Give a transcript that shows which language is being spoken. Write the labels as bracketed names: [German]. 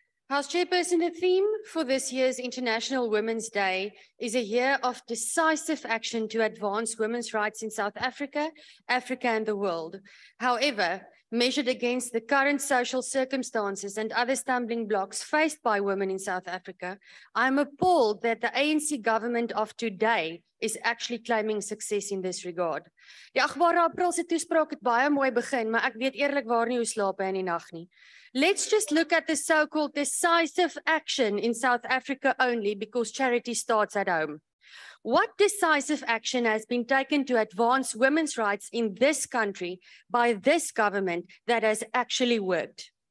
[English] House Chairperson, the theme for this year's International Women's Day is a year of decisive action to advance women's rights in South Africa, Africa, and the world. However, measured against the current social circumstances and other stumbling blocks faced by women in South Africa, I'm appalled that the ANC government of today is actually claiming success in this regard. [Afrikaans] Die Agbare April se toespraak het baie mooi begin, maar ek weet eerlikwaar nie hoe slaap hy in die nag nie. [English] Let's just look at the so-called decisive action in South Africa only, because charity starts at home. What decisive action has been taken to advance women's rights in this country by this government that has actually worked?